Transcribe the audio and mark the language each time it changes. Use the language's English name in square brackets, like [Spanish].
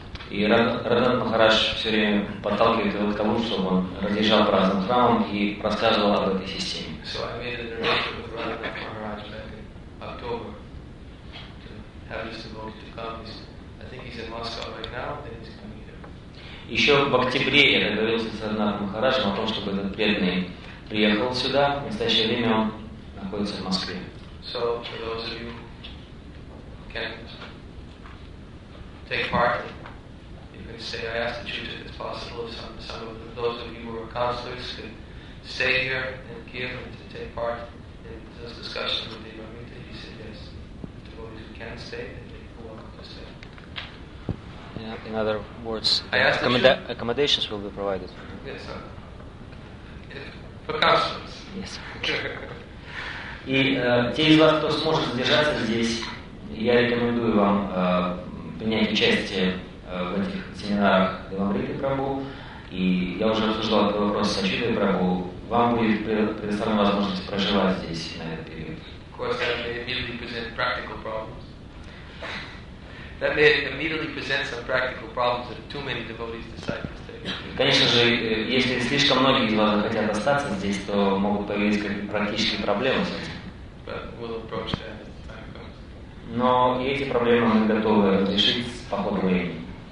[Russian] И Радхан Махарадж все время подталкивает его к тому, чтобы он разъезжал по разным храмам и рассказывал об этой системе. [English] So I made an arrangement with Radhan Maharaj back in October to have this devotee to come. He's, I think he's in Moscow right now, then he's coming here. [Russian] Еще в октябре я договорился с Радхан Махараджем о том, чтобы этот преданный приехал сюда. В настоящее время он находится в Москве. [English] So for those of you who can't take part in, say, I ask that you, if it's possible, if some of those of you who are counselors could stay here and give and to take part in those discussions with Deva Amrita. He said, yes, the devotees who can stay, then they're welcome to stay. Yeah. In other words, accommodations will be provided. Yes, sir. For customers. Yes, sir. [Russian] И те из вас, кто сможет задержаться здесь, я рекомендую вам принять участие в этих семинарах Деламбриты Прабу. И я уже обсуждал этот вопрос с Ачютой Прабу. Вам будет предоставлена возможность проживать здесь на этот период. [English] Of course, that may immediately present practical problems. That may immediately present some practical problems that too many devotees decide to stay. [Russian] Конечно же, если слишком многие из вас захотят остаться здесь, то могут появиться какие-то практические проблемы с этим. [English] But we'll approach that as the time comes. [Russian] Но и эти проблемы мы готовы решить по ходу времени.